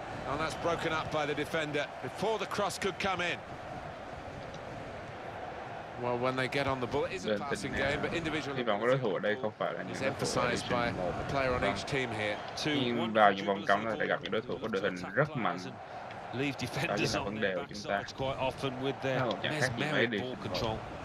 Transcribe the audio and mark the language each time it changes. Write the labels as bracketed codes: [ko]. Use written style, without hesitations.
[en] And that's broken up by the defender before the cross could come in. Well, when they get on the ball, it is a passing game, but individual is emphasized by a player on each team here. [vi] Two, nhưng vào những vòng cấm là phải gặp những đối thủ có đội hình rất mạnh. [en] Leave defenders on their backside quite often with their mesmeric ball control.